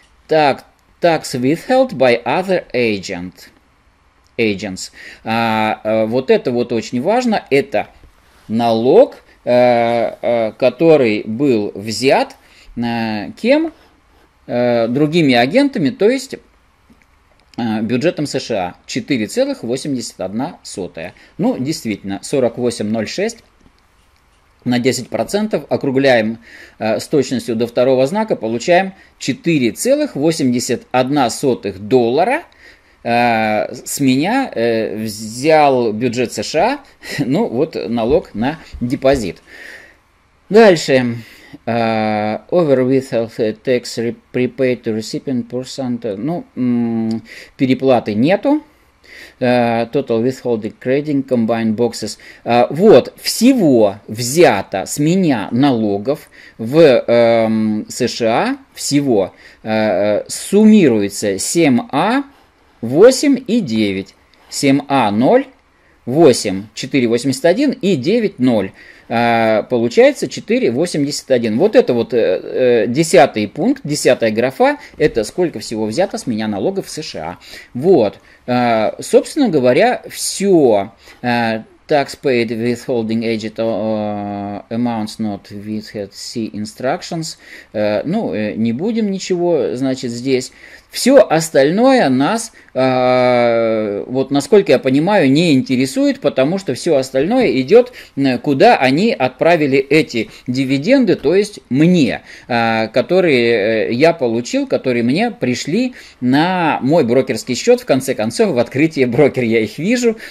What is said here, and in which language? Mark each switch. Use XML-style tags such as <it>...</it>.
<en>Так, tax withheld by other agents.</en> <ru>Вот это вот очень важно. Это налог, который был взят кем? Другими агентами, то есть бюджетом США 4,81. Ну, действительно, 4806 на 10%, округляем с точностью до второго знака, получаем 4,81 доллара. С меня взял бюджет США, ну, вот налог на депозит. Дальше.</ru> <en>Overwithheld tax prepaid to recipient percent.</en> <ru>Ну, переплаты нету.</ru> <en>Total withholding credit combined boxes.</en> <ru>Вот, всего взято с меня налогов в США, всего суммируется 7А, 8 и 9. 7А 0, 8, 4,81 и 9, 0. Получается 4,81. Вот это вот десятый пункт, десятая графа, это сколько всего взято с меня налогов в США. Вот, собственно говоря, все.</ru> <en>Tax paid withholding agent amounts not withheld C instructions.</en> <ru>Ну, не будем ничего, значит, здесь. Все остальное нас, вот насколько я понимаю, не интересует, потому что все остальное идет, куда они отправили эти дивиденды, то есть мне, которые я получил, которые мне пришли на мой брокерский счет, в конце концов, в открытии брокер я их вижу.</ru>